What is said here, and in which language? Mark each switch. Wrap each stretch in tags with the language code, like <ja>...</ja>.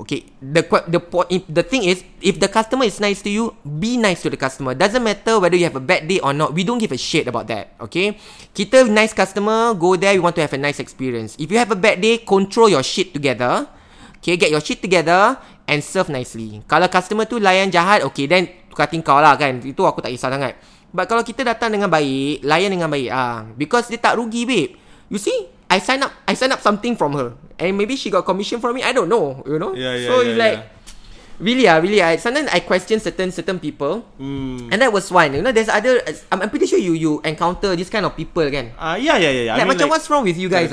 <en>Okay, the thing is, if the customer is nice to you, be nice to the customer. Doesn't matter whether you have a bad day or not. We don't give a shit about that. Okay, kita nice customer, go there. We want to have a nice experience. If you have a bad day, control your shit together. Okay, get your shit together and serve nicely.</en> <ms>Kalau customer tu layan jahat, okay, then tukar tingkau lah kan. Itu aku tak kisah sangat. But kalau kita datang dengan baik, layan dengan baik because dia tak rugi, babe.</ms> <en>You see, I sign up something from her. And maybe she got commission from me, I don't know, you know. Really, sometimes I question certain people. And that was one. You know, there's other, I'm pretty sure you encounter this kind of people again. Yeah. Like, I mean, macam like, what's wrong with you guys?</en>